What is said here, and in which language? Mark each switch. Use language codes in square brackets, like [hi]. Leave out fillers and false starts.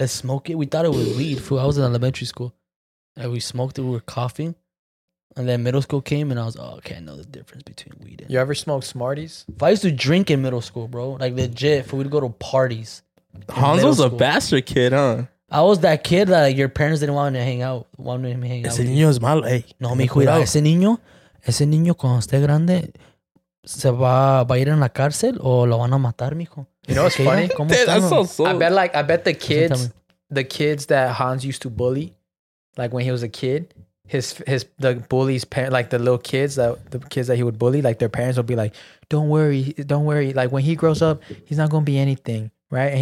[en] Let's smoke it. We thought it was weed, fool. I was in elementary school, and we smoked it. We were coughing. And then middle school came, and I was, "Oh, okay, I know the difference between weed and..." You ever smoke Smarties? If I used to drink in middle school, bro, like legit, if we'd go to parties. Hansel's a bastard kid, huh? I was that kid that like, your parents didn't want to hang out. [es] Ese niño es malo, hey. No, mi cuidado. Ese niño, cuando esté grande, se va a ir en la cárcel o lo van a matar, mijo. [en] You know what's funny? [es] ¿Cómo [en] dude, that's so sweet. I bet the kids that Hans used to bully, like when he was a kid, the bully's parents, like the kids that he would bully, like their parents would be like, don't worry. Like when he grows up, he's not going to be anything. Right.